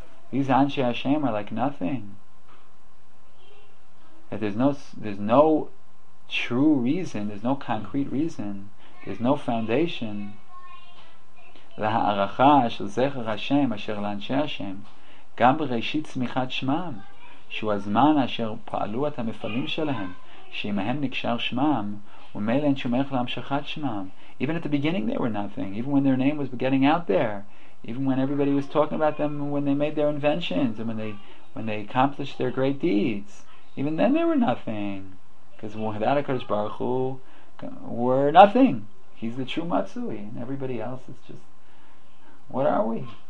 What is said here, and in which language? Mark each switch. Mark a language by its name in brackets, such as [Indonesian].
[English] These Anshei Hashem are like nothing. That there's no true reason, there's no concrete reason, there's no foundation [Hebrew] להערכה של זכר השם אשר לאנשי השם גם בראשית צמיחת שמם שהוא הזמן אשר פעלו את המפעלים שלהם שעמהם נקשר שמם ומילא אין שום ערך להמשכת שמם. [English] Even at the beginning they were nothing, even when their name was getting out there, even when everybody was talking about them, when they made their inventions and when they accomplished their great deeds, even then they were nothing. Because without a Kodesh Baruch Hu, we're nothing. He's the true Matsui, and everybody else is just, what are we?